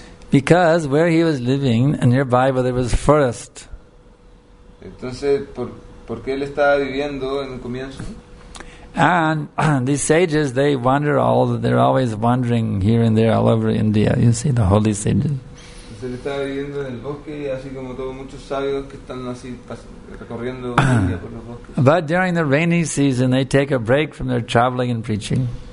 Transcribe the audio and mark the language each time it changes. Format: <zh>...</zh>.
<en>Because where he was living, nearby where there was forest.</en> <es>Entonces, ¿por qué él estaba viviendo en el comienzo?</es> <en>And these sages, they wander all, they're always wandering here and there all over India, you see, the holy sages.</en> <es>Entonces, él estaba viviendo en el bosque, así como todos muchos sabios que están así recorriendo India por los bosques.</es> <en>But during the rainy season, they take a break from their traveling and preaching.</en>